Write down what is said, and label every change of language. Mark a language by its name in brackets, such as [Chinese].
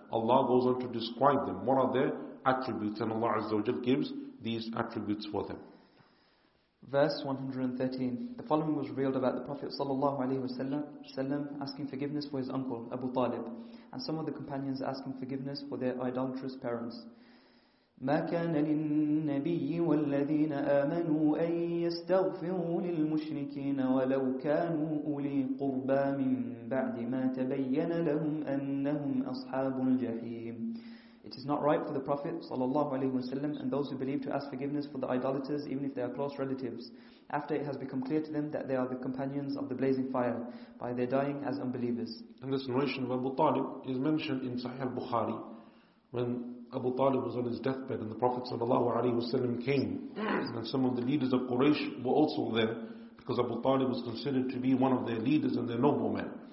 [English] Allah goes on to describe them. What are their attributes? And Allah Azza wa Jalla gives these attributes for them. Verse 113. The following was revealed about the Prophet sallallahu alaihi wasallam asking forgiveness for his uncle Abu Talib, and some of the companions asking forgiveness for their idolatrous parents. [Arabic] ما كان للنبي والذين آمنوا أن يستغفروا للمشركين ولو كانوا أولي قربى من بعد ما تبين لهم أنهم أصحاب الجحيم. [English] It is not right for the Prophet sallallahu alaihi wasallam and those who believe to ask forgiveness for the idolaters even if they are close relatives, after it has become clear to them that they are the companions of the blazing fire by their dying as unbelievers. And this narration of Abu Talib is mentioned in Sahih al-Bukhari. When Abu Talib was on his deathbed and the Prophet sallallahu alaihi wasallam came, and some of the leaders of Quraysh were also there, because Abu Talib was considered to be one of their leaders and their noblemen.